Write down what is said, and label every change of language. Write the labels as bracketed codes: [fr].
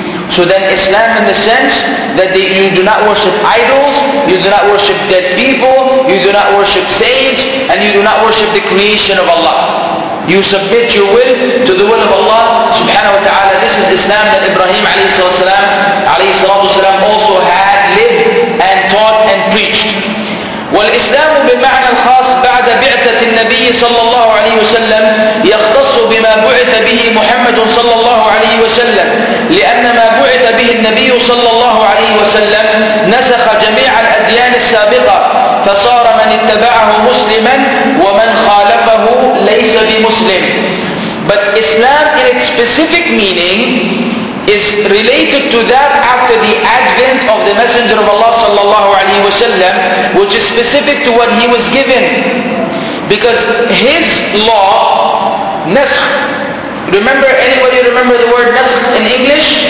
[en] So then Islam in the sense that you do not worship idols, you do not worship dead people, you do not worship saints, and you do not worship the creation of Allah. You submit your will to the will of Allah subhanahu wa ta'ala. This is Islam that Ibrahim alayhi salatu wasalam also had lived and taught and preached. [ar] والإسلام بمعنى خاص بعد بعثة النبي صلى الله عليه وسلم يختص بما بعث به محمد صلى الله عليه وسلم لأن ما بعث به النبي صلى الله عليه وسلم نسخ جميع الأديان السابقة فصار من اتبعه مسلما ومن خالفه ليس بمسلم. [en] But Islam in its specific meaning is related to that after the advent of the Messenger of Allah sallallahu alaihi wasallam, which is specific to what he was given. Because his law, naskh, remember, anybody remember the word naskh in English?